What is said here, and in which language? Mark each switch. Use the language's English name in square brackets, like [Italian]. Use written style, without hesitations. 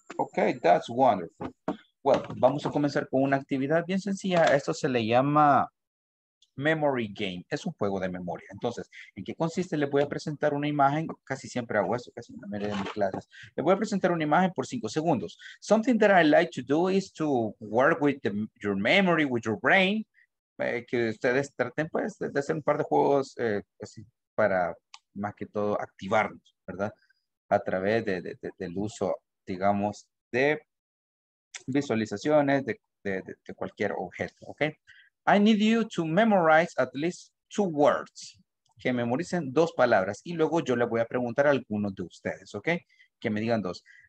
[English] Okay, that's wonderful. [Spanish] Well, vamos a comenzar con una actividad bien sencilla. Esto se le llama Memory Game. Es un juego de memoria. Entonces, ¿en qué consiste? Les voy a presentar una imagen. Casi siempre hago eso, casi en la mayoría de mis clases. Les voy a presentar una imagen por 5 segundos. [English] Something that I like to do is to work with your memory, with your brain. [Spanish] Que ustedes traten, pues, de hacer un par de juegos así para, más que todo, activarnos, ¿verdad? A través del uso, digamos, de visualizaciones de cualquier objeto, ¿ok? [English] I need you to memorize at least 2 words. [Spanish] Que memoricen 2 palabras. Y luego yo le voy a preguntar a algunos de ustedes, ¿ok? Que me digan 2.